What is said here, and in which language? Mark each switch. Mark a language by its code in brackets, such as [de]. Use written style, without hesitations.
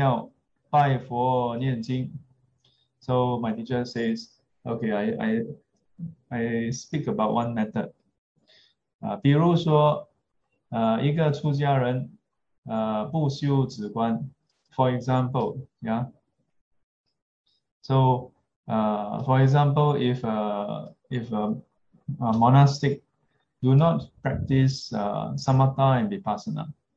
[zh] 比如说一个人，一个出家人，不修止观，一天在寺庙拜佛念经. [en] So my teacher says, okay, I speak about one method. [zh] 比如说，一个出家人，不修止观. [en] For example, yeah. So, for example, if a monastic do not practice samatha and vipassana.